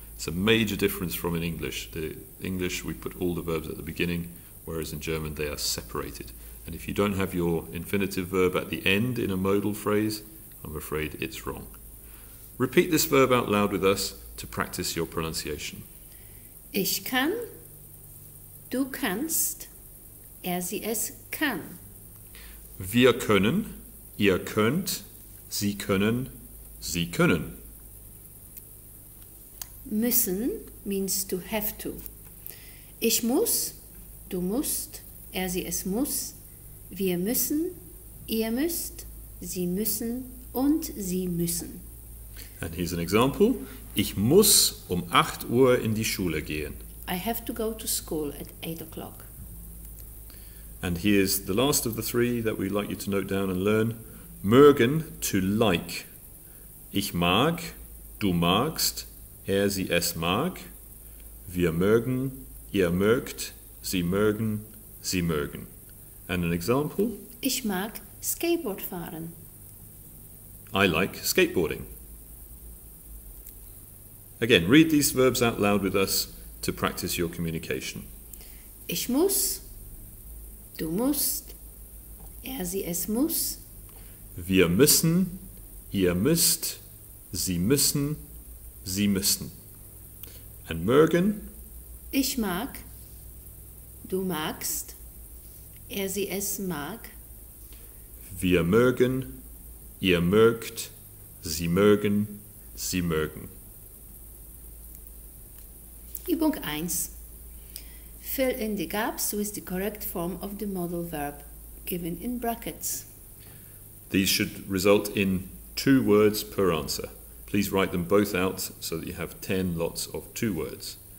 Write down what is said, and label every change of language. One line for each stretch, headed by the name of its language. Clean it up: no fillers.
English: It's a major difference from in English. The English, we put all the verbs at the beginning, whereas in German, they are separated. And if you don't have your infinitive verb at the end in a modal phrase, I'm afraid it's wrong. Repeat this verb out loud with us to practice your pronunciation.
German: Ich kann, du kannst, er, sie, es kann. Wir können, ihr könnt, sie können, sie können.
English: Müssen means to have to.
German: Ich muss, du musst, er, sie, es muss. Wir müssen, ihr müsst, sie müssen und sie müssen.
English: And here's an example.
German: Ich muss um 8 Uhr in die Schule gehen.
English: I have to go to school at 8 o'clock. And here's the last of the three that we'd like you to note down and learn.
German: Mögen,
English: to like.
German: Ich mag, du magst, er, sie, es mag. Wir mögen, ihr mögt, sie mögen, sie mögen.
English: And an example?
German: Ich mag Skateboard fahren.
English: I like skateboarding. Again, read these verbs out loud with us to practice your communication.
German: Ich muss, du musst, er, sie, es muss. Wir müssen, ihr müsst, sie müssen, sie müssen.
English: And mögen?
German: Ich mag, du magst, er, sie, es mag. Wir mögen, ihr mögt, sie mögen, sie mögen. Übung 1.
English: Fill in the gaps with the correct form of the modal verb given in brackets. These should result in 2 words per answer. Please write them both out so that you have 10 lots of 2 words.